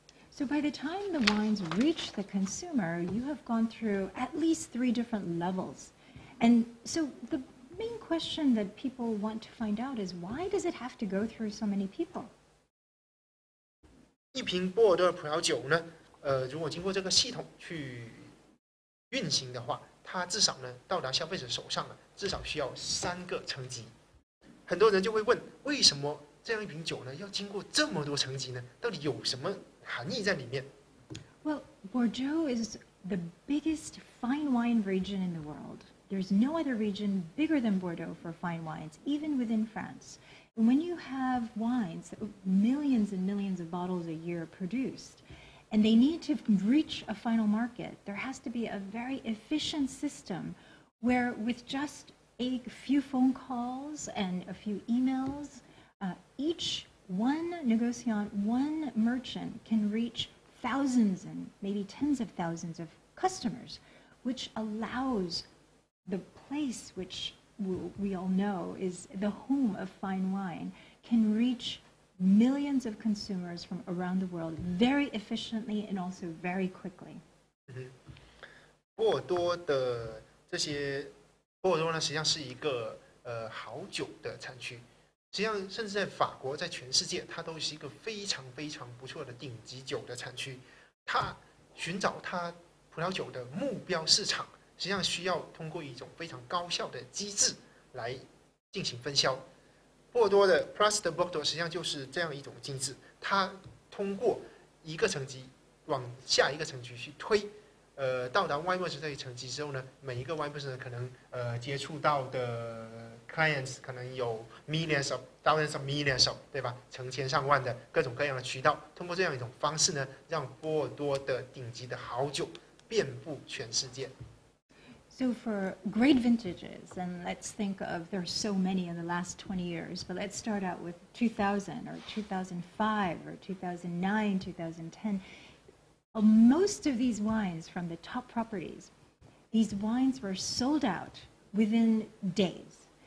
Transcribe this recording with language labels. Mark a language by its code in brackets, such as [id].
[en] So by the time the wines reach the consumer, you have gone through at least three different levels. And so the main question that people want to find out is why does it have to go through so many people? [zh] 一瓶波尔多的葡萄酒呢，如果经过这个系统去运行的话，它至少呢到达消费者手上了，至少需要3个层级。很多人就会问，为什么这样一瓶酒呢要经过这么多层级呢？到底有什么含义在里面？ [en] Well, Bordeaux is the biggest fine wine region in the world. There's no other region bigger than Bordeaux for fine wines, even within France. And when you have wines, millions and millions of bottles a year produced, and they need to reach a final market, there has to be a very efficient system where, with just a few phone calls and a few emails, each one négociant, one merchant can reach thousands and maybe tens of thousands of customers, which allows the place, which we all know is the home of fine wine, can reach millions of consumers from around the world very efficiently and also very quickly. [zh] 波尔多的这些，波尔多呢，实际上是一个好酒的产区。实际上，甚至在法国，在全世界，它都是一个非常非常不错的顶级酒的产区。它寻找它葡萄酒的目标市场，实际上需要通过一种非常高效的机制来进行分销。波尔多的 Place de Bordeaux 实际上就是这样一种机制，它通过一个层级往下一个层级去推。到达 wine merchant 这一层级之后呢，每一个 wine merchant 可能接触到的 clients 可能有 [en] millions of thousands of millions of [zh] 对吧？成千上万的各种各样的渠道，通过这样一种方式呢，让波尔多的顶级的好酒遍布全世界。 [en] So for great vintages, and let's think of there are so many in the last 20 years, but let's start out with 2000 or 2005 or 2009, 2010. Most of these wines from the top properties, these wines were sold out within days.